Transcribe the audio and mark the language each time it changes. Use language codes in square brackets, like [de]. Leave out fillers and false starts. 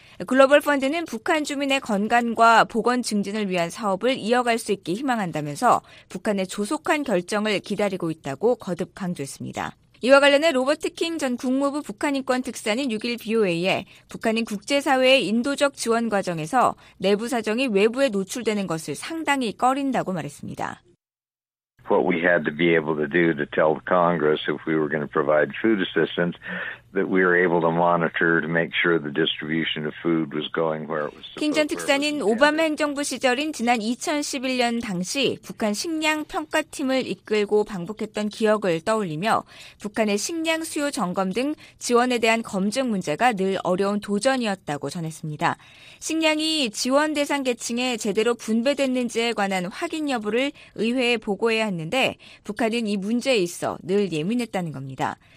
[ko] 글로벌 펀드는 북한 주민의 건강과 보건 증진을 위한 사업을 이어갈 수 있게 희망한다면서 북한의 조속한 결정을 기다리고 있다고 거듭 강조했습니다. 이와 관련해 로버트 킹 전 국무부 북한인권특사는 6일 BOA에 북한인 국제사회의 인도적 지원 과정에서 내부 사정이 외부에 노출되는 것을 상당히 꺼린다고 말했습니다. [en] What we had to be able to do to tell the Congress if we were going to provide food assistance that we were able to monitor to make sure the distribution of food was going where it was. [ko] 킹 전 특사는 오바마 행정부 시절인 지난 2011년 당시 북한 식량 평가팀을 이끌고 방북했던 기억을 떠올리며 북한의 식량 수요 점검 등 지원에 대한 검증 문제가 늘 어려운 도전이었다고 전했습니다. 식량이 지원 대상 계층에 제대로 분배됐는지에 관한 확인 여부를 의회에 보고해야 했는데 북한은 이 문제에 있어 늘 예민했다는 겁니다.